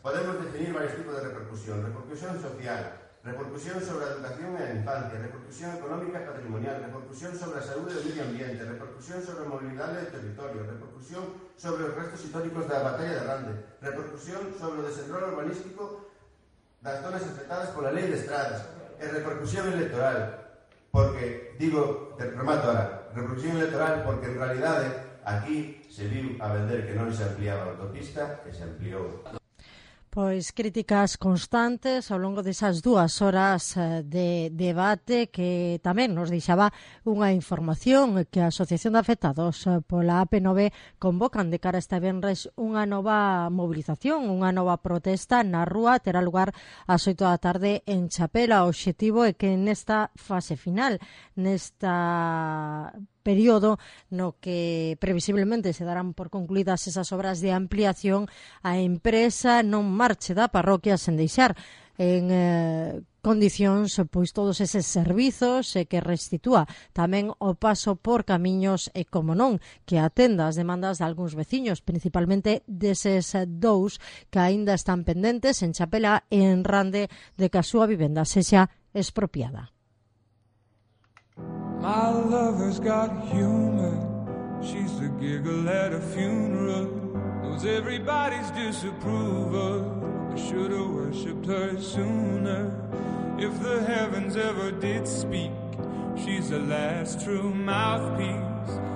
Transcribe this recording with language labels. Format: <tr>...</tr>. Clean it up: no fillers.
<gl>Podemos definir varios tipos de repercusión: repercusión social, repercusión sobre a educación e a infancia, repercusión económica e patrimonial, repercusión sobre a saúde e o medio ambiente, repercusión sobre a mobilidade do territorio, repercusión sobre os restos históricos da batalla de Rande, repercusión sobre o desenrolo urbanístico das zonas afectadas pola lei de estradas, e repercusión electoral, porque, digo, te remato ahora, repercusión electoral porque en realidade aquí se viu a vender que non se ampliaba a autopista, que se ampliou. Pois críticas constantes ao longo desas dúas horas de debate, que tamén nos deixaba unha información que a Asociación de Afectados pola AP9 convocan de cara a este venres unha nova movilización, unha nova protesta na rúa, terá lugar ás 8 da tarde en Chapela. O obxectivo é que nesta fase final, nesta período no que previsiblemente se darán por concluídas esas obras de ampliación, a empresa non marche da parroquia sen deixar en condicións pois todos eses servizos que restitúa tamén o paso por camiños e, como non, que atenda as demandas de algúns veciños, principalmente deses dous que aínda están pendentes en Chapela e en Rande de que a súa vivenda sexa expropiada.</gl> <en>My lover's got humor. She's the giggle at a funeral. Knows everybody's disapproval. I should have worshipped her sooner. If the heavens ever did speak, she's the last true mouthpiece.</en>